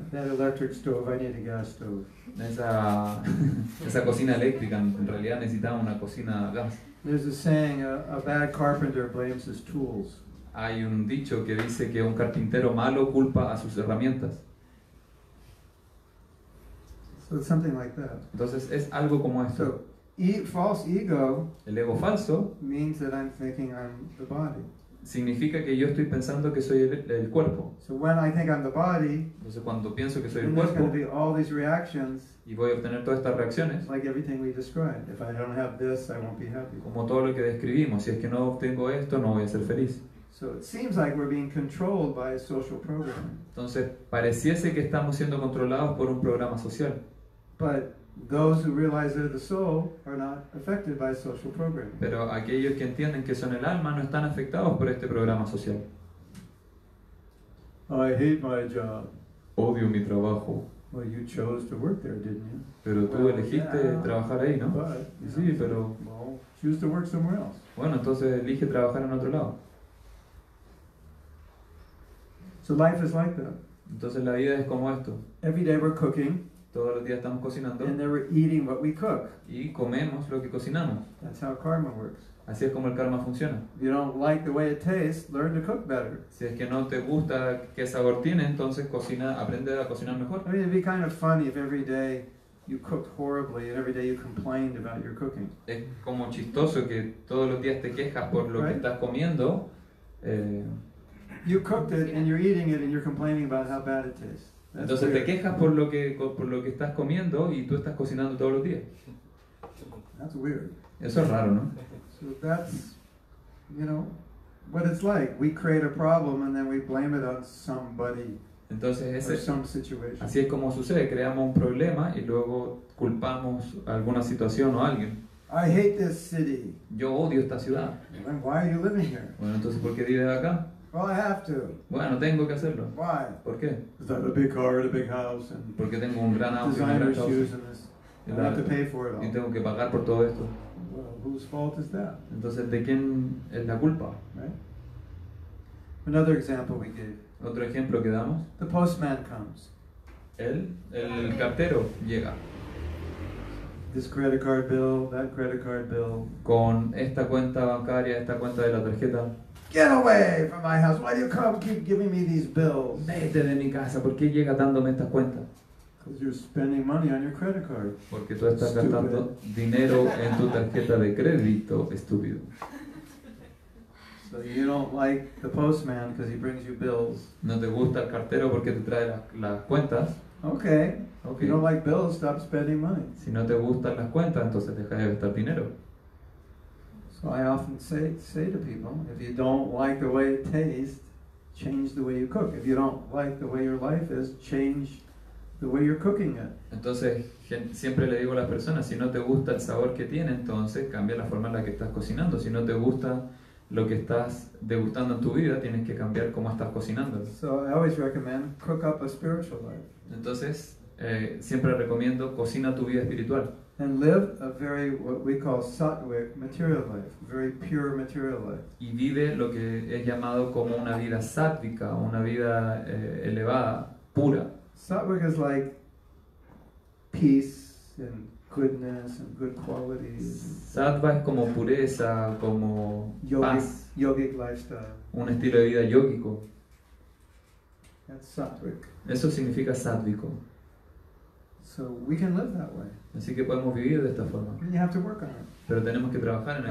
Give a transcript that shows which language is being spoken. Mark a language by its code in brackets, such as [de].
[en] That electric stove, I need a gas stove. [es] Esa cocina eléctrica, en realidad necesitaba una cocina a gas. [en] There's a saying, a bad carpenter blames his tools. [es] Hay un dicho que dice que un carpintero malo culpa a sus herramientas. [en] So it's something like that. [es] Entonces es algo como esto. [en] So, false ego, [es] el ego falso, [en] means that I'm thinking I'm the body. [es] Significa que yo estoy pensando que soy el cuerpo. [en] So when I think I'm the body, [es] entonces cuando pienso que soy el cuerpo, [en] there's going to be all these reactions, [es] y voy a obtener todas estas reacciones, [en] like everything we described. If I don't have this, I won't be happy. [es] Como todo lo que describimos, si es que no obtengo esto, no voy a ser feliz. [en] So it seems like we're being controlled by a social program. [es] Entonces pareciese que estamos siendo controlados por un programa social. [en] But those who realize they're the soul are not affected by social programming. [es] Pero aquellos que entienden que son el alma no están afectados por este programa social. [en] I hate my job. [es] Odio mi trabajo. [en] Well, you chose to work there, didn't you? [es] Pero tú elegiste trabajar ahí, ¿no? [en] But, [es] sí, pero [en] well, choose to work somewhere else. [es] Bueno, entonces elige trabajar en otro lado. [en] So life is like that. [es] Entonces la vida es como esto. [en] Every day we're cooking. [es] Todos los días estamos cocinando. [en] And then we're eating what we cook. [es] Y comemos lo que cocinamos. [en] That's how karma works. [es] Así es como el karma funciona. [en] If you don't like the way it tastes, learn to cook better. [es] Si es que no te gusta qué sabor tiene, entonces aprende a cocinar mejor. [en] I mean, it'd be kind of funny if every day you cooked horribly and every day you complained about your cooking. [es] Es como chistoso que todos los días te quejas por lo [en] right? [es] que estás comiendo. [en] You cooked it and you're eating it and you're complaining about how bad it tastes. [es] Entonces te quejas por lo que estás comiendo y tú estás cocinando todos los días. [en] That's weird. [es] Eso es raro, ¿no? [en] So that's, you know, what it's like. We create a problem and then we blame it on somebody. [es] Entonces ese, [en] or some situation. [es] Así es como sucede. Creamos un problema y luego culpamos a alguna situación o a alguien. [en] I hate this city. [es] Yo odio esta ciudad. [en] Then why are you living here? [es] Bueno, entonces ¿por qué vives acá? [en] Well, I have to. [es] Bueno, tengo que hacerlo. [en] Why? [es] ¿Por qué? [en] Is that a big car and a big house and [es] porque tengo un gran auto [en] designer [es] y un gran [en] shoes house. And this. I have to pay for it all. [es] Y tengo que pagar por todo esto. [en] Well, whose fault is that? [es] Entonces, ¿de quién es la culpa? [en] Right? Another example we gave. [es] Otro ejemplo que damos. [en] The postman comes. [es] El cartero llega. [en] This credit card bill, that credit card bill. [es] Con esta cuenta bancaria, esta cuenta de la tarjeta. [en] Get away from my house. Why do you come keep giving me these bills? [es] Vete de mi casa. ¿Por qué llega dándome estas cuentas? [en] Because you're spending money on your credit card. [es] Porque tú estás gastando dinero en tu tarjeta de crédito, estúpido. [en] So you don't like the postman because he brings you bills. [es] No te gusta el cartero porque te trae las cuentas. [en] Okay. Okay. If you don't like bills, stop spending money. [es] Si no te gustan las cuentas, entonces deja de gastar dinero. [en] So I often say to people, if you don't like the way it tastes, change the way you cook. If you don't like the way your life is, change the way you're cooking it. [es] Entonces, siempre le digo a las personas, si no te gusta el sabor que tiene, entonces cambia la forma en la que estás cocinando. Si no te gusta lo que estás degustando en tu vida, tienes que cambiar cómo estás cocinando. [en] So I always recommend cook up a spiritual life. [es] Entonces, siempre recomiendo cocina tu vida espiritual. [en] And live a very what we call sattvic material life, very pure material life. [es] Y vive lo que es llamado como una vida sattvica, una vida elevada, pura. [en] Sattvic is like peace and goodness and good qualities. [es] Sattva es como pureza, como [en] yogic, [es] paz. [en] Yogic lifestyle. [es] Un estilo de vida yogico. [en] That's sattvic. [es] Eso significa sattvico. [en] So we can live that way. [es] Así que podemos vivir de esta forma. [en] You have to work on it. [es] Pero tenemos que trabajar en aquello.